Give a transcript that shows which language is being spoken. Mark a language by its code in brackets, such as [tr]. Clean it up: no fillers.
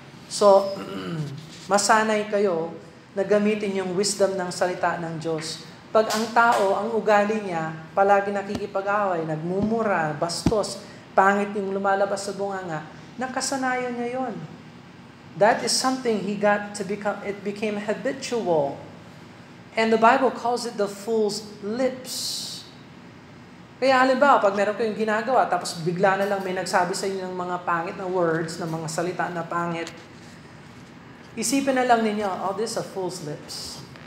[tl] So, masanay kayo na gamitin yung wisdom ng salita ng Diyos. Pag ang tao, ang ugali niya, palagi nakikipag-away, nagmumura, bastos, pangit yung lumalabas sa bunganga, nakasanayan niya yon. [en] That is something he got to become, it became habitual. And the Bible calls it the fool's lips. [tl] Kaya halimbawa, pag meron kayong ginagawa, tapos bigla na lang may nagsabi sa inyo ng mga pangit na words, ng mga salita na pangit, isipin na lang ninyo, [en] oh, this is a fool's lips.